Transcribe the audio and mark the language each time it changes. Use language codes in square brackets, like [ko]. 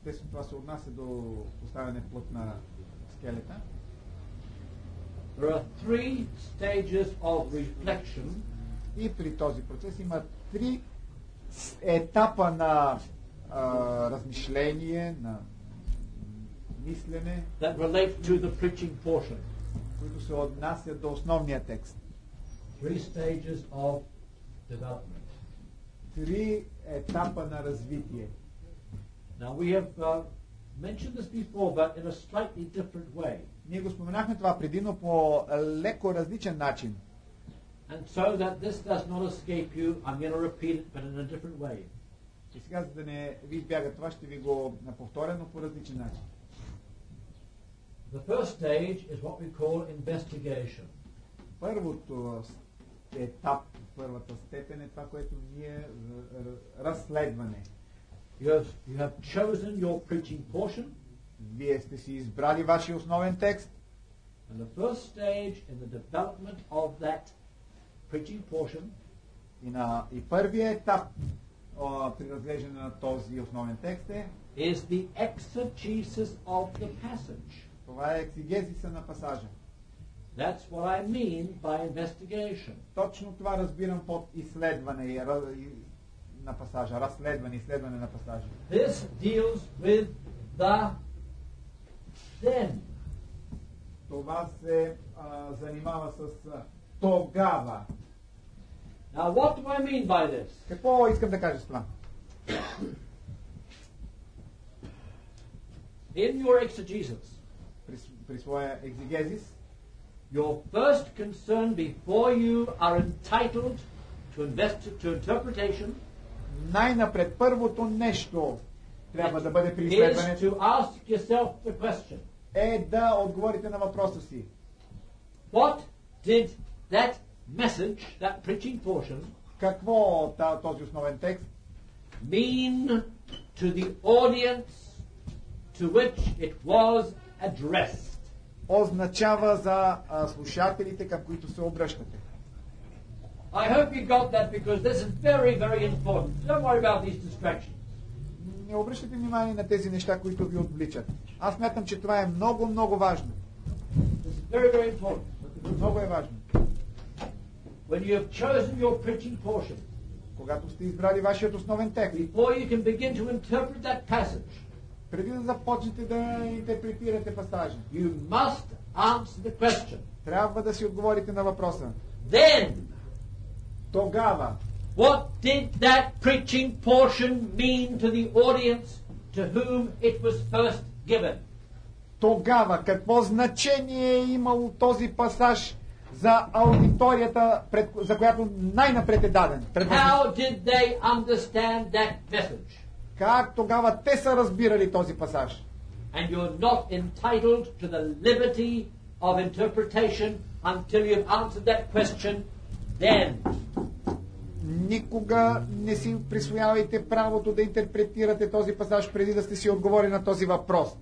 [bg] Това се отнася до поставяне плът на скелета. [en] There are three stages of reflection. [bg] И при този процес има три етапа на размишление, на мислене, [en] that relate to the preaching portion. [bg] Които се отнасят до основния текст. [en] Three stages of development. [bg] Три етапа на развитие. [en] Now we have mentioned this before, but in a slightly different way. [bg] Ние го споменахме това преди, но по леко различен начин. [en] And so that this does not escape you, I'm going to repeat it, but in a different way. [bg] И сега, за да не ви избяга това, ще ви го повторя, но по различен начин. [en] The first stage is what we call investigation. [bg] Първото етап, първата степен е това, което ние разследване. [en] You have chosen your preaching portion. [bg] Вие сте си избрали вашия основен текст. [en] And the first stage in the development of that preaching portion. [bg] И първия етап при разглеждане на този основен текст е [en] is the exegesis of the passage. [bg] Това е екзегезиса на пасажа. [en] That's what I mean by investigation. [bg] Точно това разбирам под изследване на пасажа, разследване, изследване на пасажа. [en] This deals with the then. [bg] Това се занимава с тогава. [en] Now what do I mean by this? [bg] Какво искам да кажа с това? [en] In your exegesis, [bg] при своя екзегезис, [en] your first concern before you are entitled to investigate, to interpretation, [bg] най-напред първото нещо трябва да бъде при изследването, [en] is to ask yourself the question. [bg] е да отговорите на въпроса си. [en] What did that message, that preaching portion, [bg] какво този основен текст [en] mean to the audience to which it was addressed? [bg] Означава за слушателите, към които се обръщате. [en] I hope you got that because this is very, very important. Don't worry about these distractions. [bg] Не обръщайте внимание на тези неща, които ви отвличат. Аз смятам, че това е много, много важно. [en] This is very, very important. [bg] Много е важно. [en] When you have chosen your preaching portion, [bg] когато сте избрали вашият основен текст, [en] before you can begin to interpret that passage, [bg] преди да започнете да интерпретирате пасажа, [en] you must answer the question. [bg] Трябва да си отговорите на въпроса. [en] Then, [bg] тогава, [en] what did that preaching portion mean to the audience to whom it was first given? [bg] Тогава, какво значение е имало този пасаж за аудиторията, за която най-напред е даден? [en] How did they understand that message? [bg] Как тогава те са разбирали този пасаж? [en] And you're not entitled to the liberty of interpretation until you've answered that question. Then, [bg] никога не си присвоявайте правото да интерпретирате този пасаж преди да сте си отговорили на този въпрос.